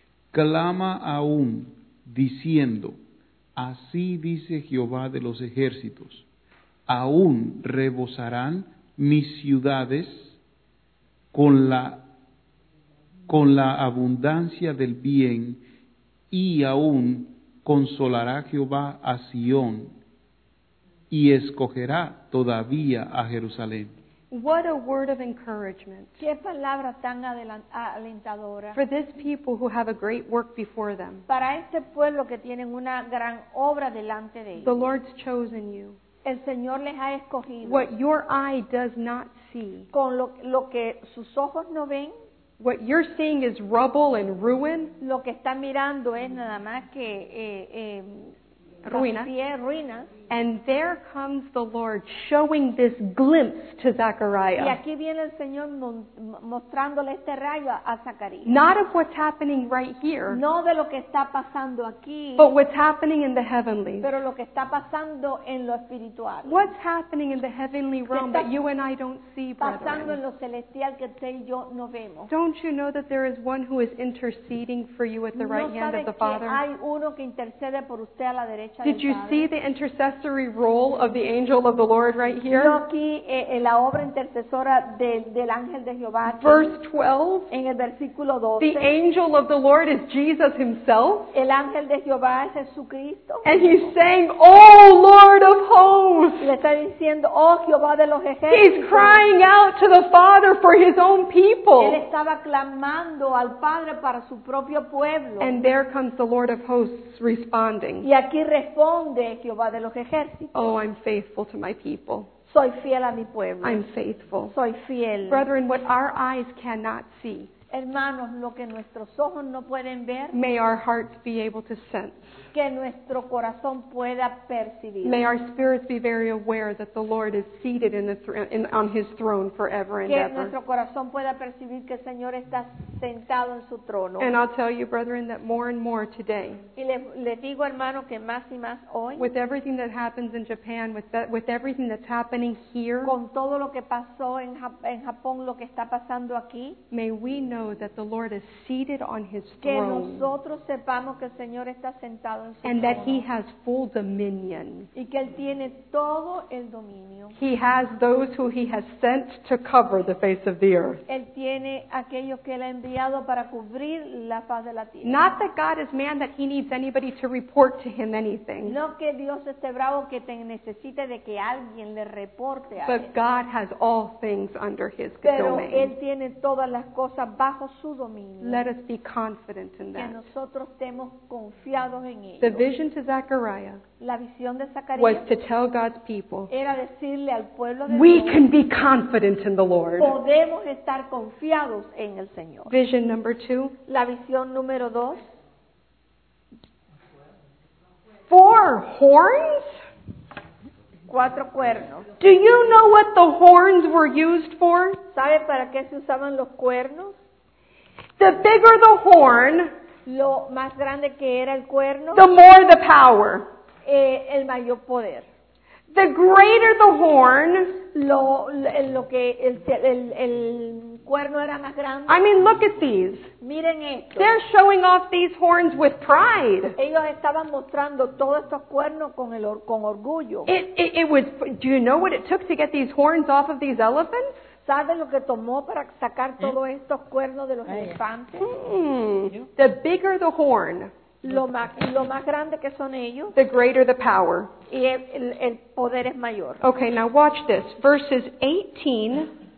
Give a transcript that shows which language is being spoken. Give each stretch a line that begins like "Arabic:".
Spanish: Clama aún, diciendo, así dice Jehová de los ejércitos, aún rebosarán mis ciudades con la abundancia del bien, y aún consolará Jehová a Sion y escogerá todavía a Jerusalén.
English: What a word of encouragement.
Spanish: Qué palabra tan alentadora.
English: For this people who have a great work before them.
Spanish: Para este pueblo que tienen una gran obra delante de ellos.
English: The Lord's chosen you.
Spanish: El Señor les ha escogido.
English: What your eye does not see.
Spanish: Con lo que sus ojos no ven.
English: What you're seeing is rubble and ruin.
Spanish: Lo que están mirando es nada más que ruina.
English: And there comes the Lord showing this glimpse to Zechariah.
Spanish: Y aquí viene el Señor mostrándole este rayo a Zacarías.
English: Not of what's happening right here.
Spanish: No de lo que está pasando aquí.
English: But what's happening in the heavenly.
Spanish: Pero lo que está pasando en lo espiritual.
English: What's happening in the heavenly realm that you and I don't see, brethren?
Spanish: Pasando en lo celestial que usted y yo no vemos.
English: Don't you know that there is one who is interceding for you at the right hand of the Father?
Spanish: ¿No sabe que hay uno que intercede por usted a la derecha del Padre?
English: Did you see the intercession? Accessory role of the angel of the Lord right here.
Spanish: Yo aquí en la obra intercesora del ángel de Jehová.
English: Verse 12.
Spanish: En el versículo 12.
English: The angel of the Lord is Jesus himself.
Spanish: El ángel de Jehová es Jesucristo.
English: And he's saying, "Oh Lord of hosts."
Spanish: Le está diciendo, "Oh Jehová de los ejércitos."
English: He's crying out to the Father for his own people.
Spanish: Él estaba clamando al Padre para su propio pueblo.
English: And there comes the Lord of hosts responding.
Spanish: Y aquí responde Jehová de los ejércitos.
English: Oh, I'm faithful to my people.
Spanish: Soy fiel a mi pueblo.
English: I'm faithful.
Spanish: Soy fiel.
English: Brethren, what our eyes cannot see.
Spanish: Hermanos, lo que nuestros ojos no pueden ver.
English: May our hearts be able to sense.
Spanish: Que nuestro corazón pueda percibir.
English: May our spirits be very aware that the Lord is seated on his throne forever and
Spanish: que Que nuestro corazón pueda percibir que el Señor está sentado en su trono.
English: And I'll tell you, brethren, that more and more today.
Spanish: Y le digo, hermano, que más y más hoy.
English: With everything that happens in Japan, with everything that's happening here.
Spanish: Con todo lo que pasó en Japón, lo que está pasando aquí.
English: May we know that the Lord is seated on his throne.
Spanish: Que nosotros sepamos que el Señor está sentado.
English: And that he has full dominion.
Spanish: Y que él tiene todo el dominio.
English: He has those who he has sent to cover the face of the earth.
Spanish: Él tiene aquellos que él ha enviado para cubrir la faz de la tierra.
English: Not that God is man that he needs anybody to report to him anything.
Spanish: No que Dios esté bravo que te necesite de que alguien le reporte a él.
English: But God has all things under his
Spanish: pero
English: domain.
Spanish: Él tiene todas las cosas bajo su dominio.
English: Let us be confident in
Spanish: que
English: that.
Spanish: Que nosotros estemos confiados.
English: The vision to Zechariah was to tell God's people,
Spanish: era decirle al pueblo de
English: we
Spanish: Dios,
English: can be confident in the Lord.
Spanish: Podemos estar confiados en el Señor.
English: Vision number two.
Spanish: La visión número dos.
English: Four horns?
Spanish: Cuatro cuernos.
English: Do you know what the horns were used for?
Spanish: ¿Sabe para qué se usaban los cuernos?
English: The bigger the horn,
Spanish: lo más grande que era el cuerno,
English: the more the power.
Spanish: El mayor poder.
English: The greater the horn,
Spanish: lo que el cuerno era más grande.
English: I mean, look at these.
Spanish: Miren esto.
English: They're showing off these horns with pride.
Spanish: Ellos estaban mostrando todos estos cuernos con orgullo.
English: It was, do you know what it took to get these horns off of these elephants?
Spanish: ¿Sabes lo que tomó para sacar todos estos cuernos de los elefantes?
English: The bigger the horn,
Spanish: lo más grande que son ellos,
English: the greater the power.
Spanish: Y el poder es mayor.
English: Okay, now watch this. Verses 18,